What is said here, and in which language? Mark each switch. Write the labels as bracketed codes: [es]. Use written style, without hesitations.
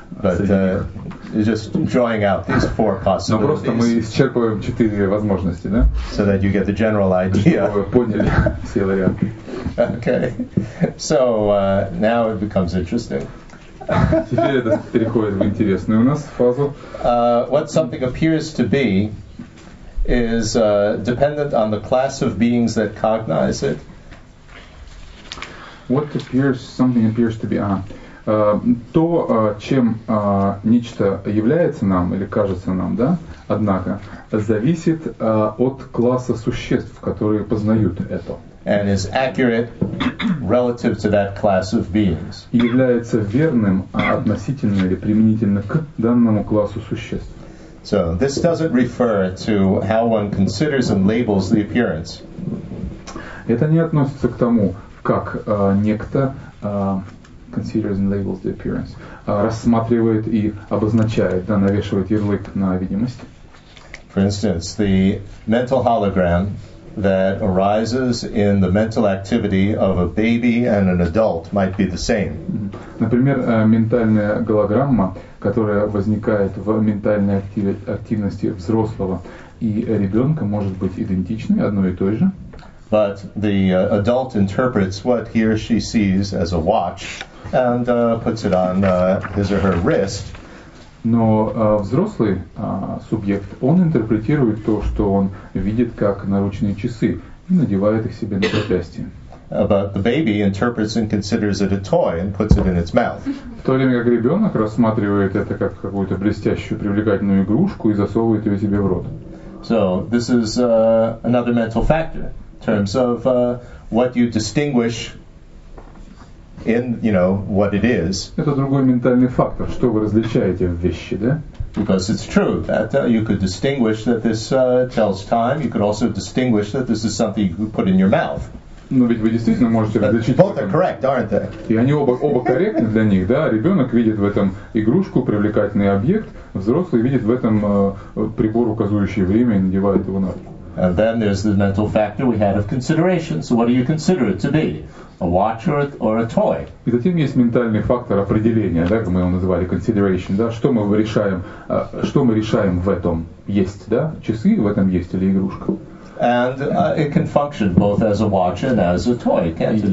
[en] Just drawing out these four possibilities. [ru] Но просто мы исчерпываем четыре возможности, да? [en] So that you get the general idea. [ru] Чтобы вы поняли все варианты. [en] Okay. So now it becomes interesting. [ru] Теперь это переходит в интересную у нас фазу. [en] What something appears to be is dependent on the class of beings that cognize it. What appears, something appears to be, [ru] то, чем нечто является нам или кажется нам, да, однако, зависит от класса существ, которые познают это. [en] And is accurate relative to that class of beings. [ru] И является верным относительно или применительно к данному классу существ. [en] So this doesn't refer to how one considers and labels the appearance. [ru] Это не относится к тому, как некто [en] considers and labels the appearance, [ru] рассматривает и обозначает, да, навешивает ярлык на видимость. [en] For instance, the mental hologram that arises in the mental activity of a baby and an adult might be the same. [ru] Например, ментальная голограмма, которая возникает в ментальной активности взрослого и ребенка, может быть идентичной, одной и той же. [en] But the adult interprets what he or she sees as a watch and puts it on his or her wrist. [ru] Но взрослый субъект, он интерпретирует то, что он видит, как наручные часы, и надевает их себе на запястье. [en] But the baby interprets and considers it a toy and puts it in its mouth. [ru] В то время как ребенок рассматривает это как какую-то блестящую, привлекательную игрушку и засовывает ее себе в рот. [en] So this is another mental factor in terms of what you distinguish in, you know, what it is. [ru] Это другой ментальный фактор, что вы различаете в вещи, да? [en] Because it's true that you could distinguish that this tells time. You could also distinguish that this is something you could put in your mouth. [ru] Но ведь вы действительно можете различить. [en] Both are correct, aren't they? [ru] И они оба корректны для них, да? Ребенок видит в этом игрушку, привлекательный объект. Взрослый видит в этом прибор, указывающий время, и надевает его на руку. [en] And then there's the mental factor we had of consideration. So what do you consider it to be? A watch or a toy? [ru] И затем есть ментальный фактор определения, да, как мы его называли, consideration, да, что мы решаем в этом есть, да, часы в этом есть или игрушка. [en] And it can function both as a watch and as a toy, can't it?